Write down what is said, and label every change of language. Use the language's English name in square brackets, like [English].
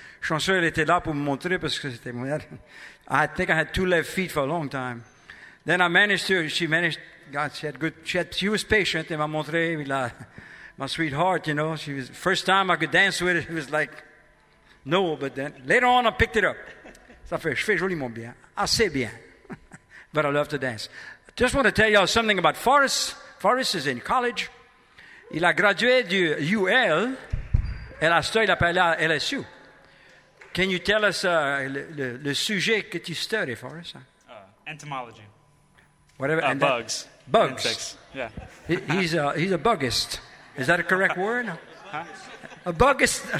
[French] Je suis sûr qu'elle était là pour me montrer parce que c'était mon. [English] I think I had 2 left feet for a long time. Then I managed to, she managed, God, she had good, she was patient, [French] elle m'a montré, là. [English] My sweetheart, you know, she was first time I could dance with her, she was like, no, but then later on I picked it up. [French] Ça fait, je fais joliment bien, assez bien. [English] But I love to dance. I just want to tell y'all something about Forrest. Forrest is in college. [French] Il a gradué du UL, et la [English] story, [French] il a parlé à LSU. [English] Can you tell us [French] le sujet que tu [English] studies, Forrest? Entomology. whatever and bugs. Bugs. Insects. Yeah. He's a buggist. Is that a correct word? A buggist.